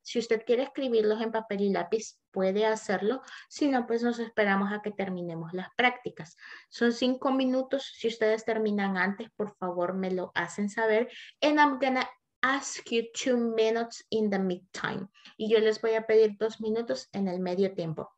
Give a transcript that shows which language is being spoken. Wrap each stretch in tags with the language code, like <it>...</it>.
<es>Si usted quiere escribirlos en papel y lápiz, puede hacerlo. Si no, pues nos esperamos a que terminemos las prácticas. Son 5 minutos. Si ustedes terminan antes, por favor, me lo hacen saber.</es> <en>And I'm going to ask you 2 minutes in the meantime.</en> <es>Y yo les voy a pedir 2 minutos en el medio tiempo.</es>